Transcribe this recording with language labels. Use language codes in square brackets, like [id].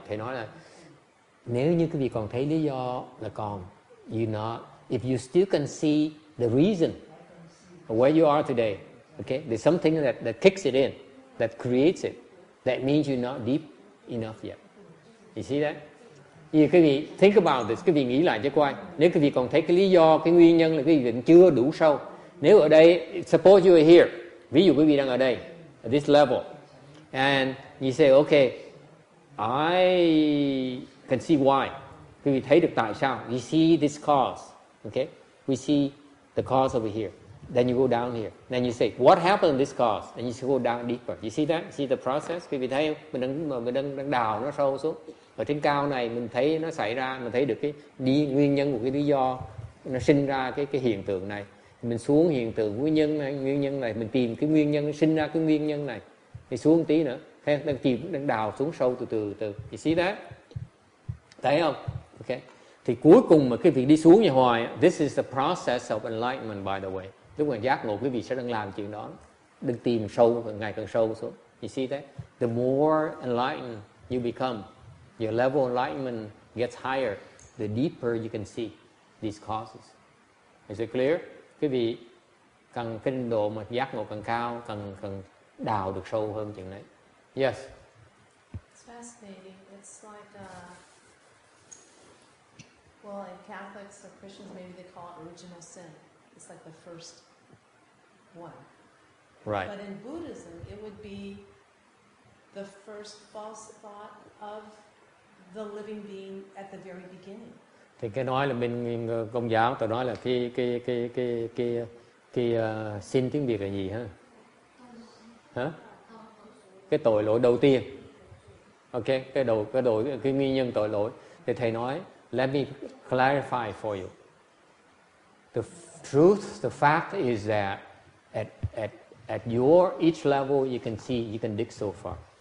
[vi] Thầy nói là nếu như quý vị còn thấy lý do là còn, [en] you not. If you still can see the reason where you are today, okay, there's something that kicks it in, that creates it, that means you're not deep enough yet. You see that? [vi] Vì quý vị [en] think about this, [vi] quý vị nghĩ lại cho coi. Nếu quý vị còn thấy cái lý do, cái nguyên nhân là quý vị chưa đủ sâu. Nếu ở đây, [en] suppose you are here. [vi] Ví dụ quý vị đang ở đây, [en] at this level. And you say, okay, I can see why. [vi] Quý vị thấy được tại sao. [en] We see this cause. Okay? We see the cause over here. Then you go down here. Then you say, what happened to this cause? And you go down deeper. You see that? See the process? [vi] Quý vị thấy không? Mình đang đào nó sâu xuống. Ở trên cao này mình thấy nó xảy ra, mình thấy được cái đi nguyên nhân của cái lý do nó sinh ra cái hiện tượng này. Mình xuống hiện tượng nguyên nhân này, mình tìm cái nguyên nhân sinh ra cái nguyên nhân này. Thì xuống tí nữa, thấy đang tìm đang đào xuống sâu từ từ từ. [en] You see that? [vi] Thấy không? Ok. Thì cuối cùng mà cái việc đi xuống như hoài, [en] this is the process of enlightenment by the way. [vi] Lúc mà giác ngộ quý vị sẽ đang làm chuyện đó, đừng tìm sâu, ngày càng sâu xuống. [en] You see that? The more enlightened you become, your level of enlightenment gets higher, the deeper you can see these causes. Is it clear? [vi] Quý vị càng cái độ mà giác ngộ càng cao, càng càng đào được sâu hơn chuyện đấy. [en] Yes. It's fascinating. It's like well, in Catholics or Christians, maybe they call it original sin. It's like the first one. Right. But in Buddhism, it would be the first false thought of the living being at the very beginning. [vi] Thì cái nói là bên Công giáo, tôi nói là cái sin tiếng Việt là gì hả? Hả? Cái tội lỗi đầu tiên. Ok, cái nguyên nhân tội lỗi. Thì thầy nói, [en] let me clarify for you. The truth, the fact is that at your each level you can see, you can dig so far.